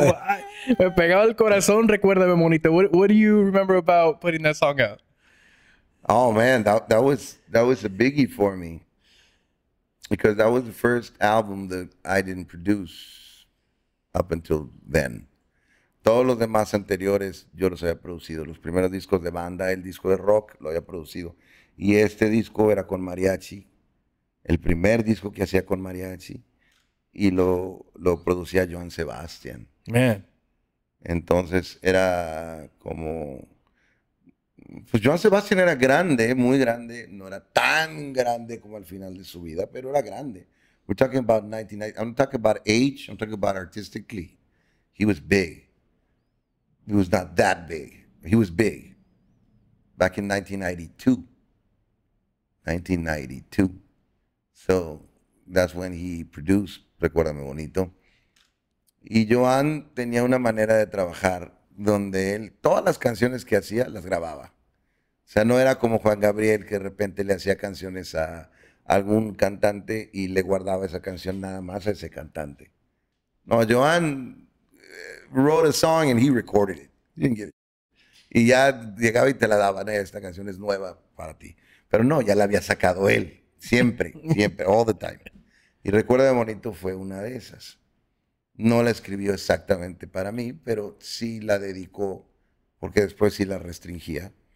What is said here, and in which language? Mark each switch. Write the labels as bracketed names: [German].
[Spanish] Me pegaba el corazón, [English] Recuérdame Bonito. What do you remember about putting that song out? Oh man, that was a biggie for me, because that was the first album that I didn't produce up until then. [Spanish] Todos los demás anteriores yo los había producido. Los primeros discos de banda, el disco de rock, lo había producido. Y este disco era con Mariachi. El primer disco que hacía con Mariachi. Y lo producía Joan Sebastián. [English] Man. [Spanish] Entonces era como... Pues Joan Sebastián era grande, muy grande. No era tan grande como al final de su vida, pero era grande. [English] We're talking about 1990. I'm not talking about age. I'm talking about artistically. He was big. He was not that big. He was big back in 1992. So that's when he produced Recuérdame Bonito. [Spanish] Y Joan tenía una manera de trabajar donde él, todas las canciones que hacía, las grababa. O sea, no era como Juan Gabriel, que de repente le hacía canciones a algún cantante y le guardaba esa canción nada más a ese cantante. [English] No, Joan wrote a song and he recorded it. [Spanish] Y ya llegaba y te la daban, esta canción es nueva para ti. Pero no, ya la había sacado él, siempre, siempre, [English] all the time. [Spanish] Y Recuérdame Bonito fue una de esas. No la escribió exactamente para mí, pero sí la dedicó, porque después sí la restringía.